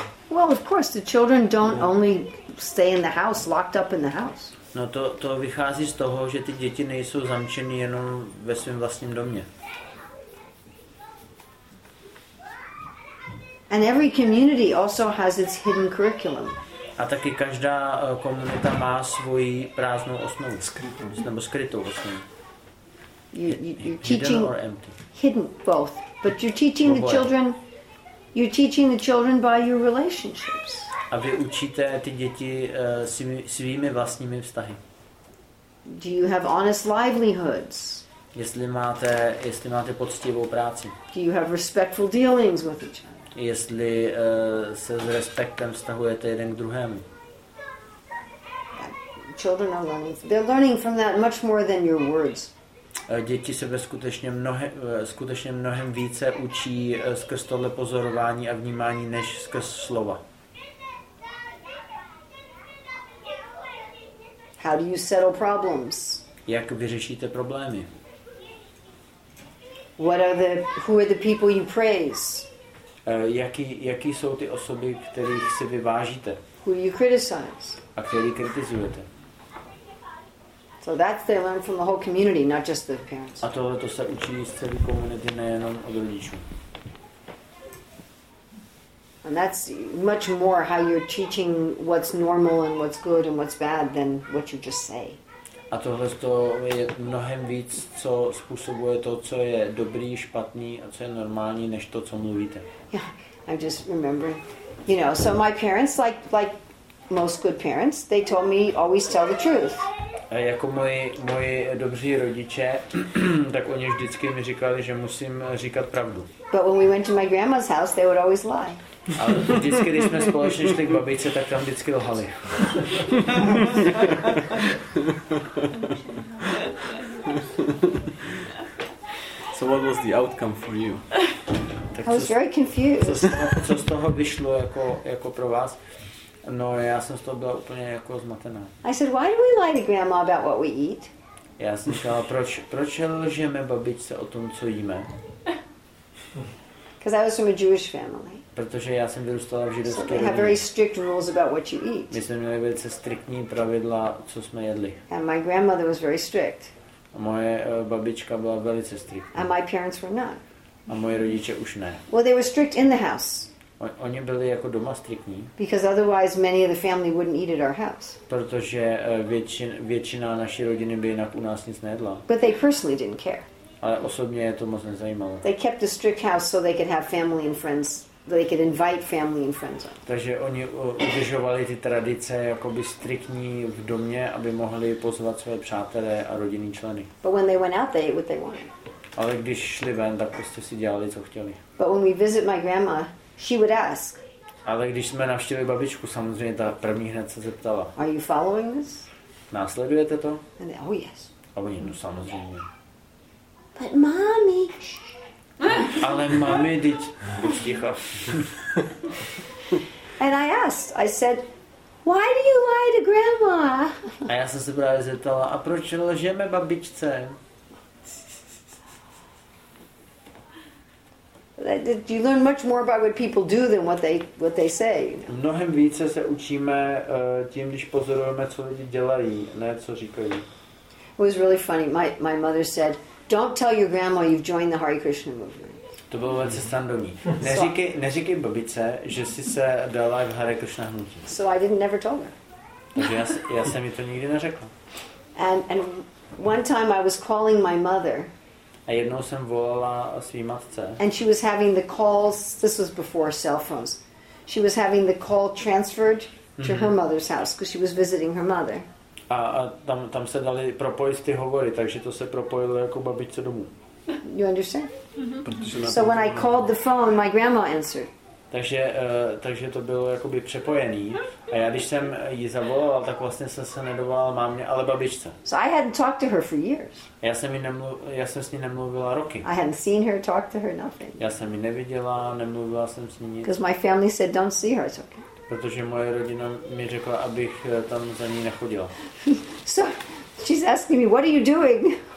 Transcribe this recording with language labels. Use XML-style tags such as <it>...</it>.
<en>Well, of course, the children don't only stay in the house, locked up in the house.</en> <cs>No to vychází z toho, že ty děti nejsou zamčeny jenom ve svém vlastním domě.</cs> <en>And every community also has its hidden curriculum.</en> <cs>A taky každá komunita má svoji prázdnou osnovu, skrytou osnovu.</cs> <en>You're teaching or empty? Hidden, both. But you're teaching the children You're teaching the children by your relationships.</en> <cs>A vy učíte ty děti svými vlastními vztahy.</cs> <en>Do you have honest livelihoods?</en> <cs>Jestli máte poctivou práci.</cs> <en>Do you have respectful dealings with each other?</en> <cs>Jestli se s respektem vztahujete jeden k druhému.</cs> <en>Children are learning. They're learning from that much more than your words.</en> <cs>Děti se ve skutečně mnohem více učí skrz tohle pozorování a vnímání než skrz slova.</cs> <en>How do you settle problems?</en> <cs>Jak vyřešíte problémy?</cs> <en>Who are the people you praise?</en> <cs>Jaký jsou ty osoby, kterých si vyvážíte?</cs> <en>Who you criticize?</en> <cs>A který kritizujete?</cs> <en>So that's they learn from the whole community, not just the parents.</en> <cs>A tohle to se učí z celé komunity, nejenom od rodičů.</cs> <en>And that's much more how you're teaching what's normal and what's good and what's bad than what you just say.</en> <cs>A tohle to je mnohem víc, co způsobuje to, co je dobrý, špatný a co je normální, než to, co mluvíte.</cs> <en>Yeah, I just remember, you know, so my parents, like most good parents, they told me always tell the truth.</en> <cs>A jako moji dobří rodiče, tak oni vždycky mi říkali, že musím říkat pravdu.</cs> <en>But when we went to my grandma's house, they would always lie.</en> <cs>Ale vždycky, když jsme společně šli k babičce, tak tam vždycky lhali.</cs> <en>So what was the outcome for you? I was very confused.</en> <cs>Co z toho vyšlo jako pro vás? No, já jsem z toho byla úplně jako zmatená.</cs> <en>I said, why do we lie to grandma about what we eat?</en> <cs>Já jsem říkala, proč lžeme babičce o tom, co jíme?</cs> <en>Because I was from a Jewish family.</en> <cs>Protože já jsem vyrůstala v židovské rodině.</cs> <en>So they have very strict rules about what you eat.</en> <cs>My jsme měli velice striktní pravidla, co jsme jedli.</cs> <en>And my grandmother was very strict.</en> <cs>A moje babička byla velice striktní.</cs> <en>And my parents were not.</en> <cs>A moje rodiče už ne.</cs> <en>Well, they were strict in the house.</en> <cs>Oni byli jako doma striktní.</cs> <en>Because otherwise many of the family wouldn't eat at our house.</en> <cs>Protože většina naší rodiny by jinak u nás nic nejedla.</cs> <en>But they personally didn't care.</en> <cs>Ale osobně je to moc nezajímalo.</cs> <en>They kept a strict house so they could have family and friends. They could invite family and friends.</en> <cs>Takže oni udržovali ty tradice jakoby striktní v domě, aby mohli pozvat své přátelé a rodinní členy.</cs> <en>But when they went out, they ate what they wanted.</en> <cs>Ale když šli ven, tak prostě si dělali, co chtěli.</cs> <en>But when we visit my grandma, she would ask.</en> <cs>Ale když jsme navštívili babičku, samozřejmě ta první hned se zeptala.</cs> <en>Are you following this?</en> <cs>Následujete to?</cs> <en>And they, oh yes.</en> <cs>A oni, no samozřejmě.</cs> <en>But mommy.</en> <cs>Ale mami, teď buď ticho.</cs> <en>And I asked, I said, why do you lie to grandma?</en> <cs>A já jsem se právě zeptala, a proč lžeme babičce?</cs> <en>You learn much more about what people do than what they say.</en> <cs>Mnohem více se učíme tím, když pozorujeme, co lidi dělají, ne co říkají.</cs> <en>It was really funny. My mother said, don't tell your grandma you've joined the Hare Krishna movement.</en> <cs>To bylo velice standardní. Neříkej babice, že jsi se dala v Hare Krishna hnutí.</cs> <en>So I didn't never told her.</en> <cs>Takže já jsem jí to nikdy neřekl.</cs> <en>And one time I was calling my mother.</en> <cs>A jednou jsem volala své matce.</cs> <en>And she was having the calls, this was before cell phones. She was having the call transferred to her mother's house because she was visiting her mother.</en> <cs>A tam se dali propojit ty hovory, takže to se propojilo jako babičce domů.</cs> <en>You understand? So when I called the phone, my grandma answered.</en> <cs>Takže to bylo jakoby přepojený. A já když jsem ji zavolal, tak vlastně jsem se nedovolal mámě, ale babičce.</cs> <en>So I hadn't talked to her for years.</en> <cs>Já jsem s ní nemluvila roky.</cs> <en>I hadn't seen her, talked to her, nothing.</en> <cs>Já jsem ji neviděla, nemluvila jsem s ní nic.</cs> <en>Because my family said, don't see her, it's okay.</en> <cs>Protože moje rodina mi řekla, abych tam za ní nechodila.</cs> <en>So she's asking me, what are you doing?</en>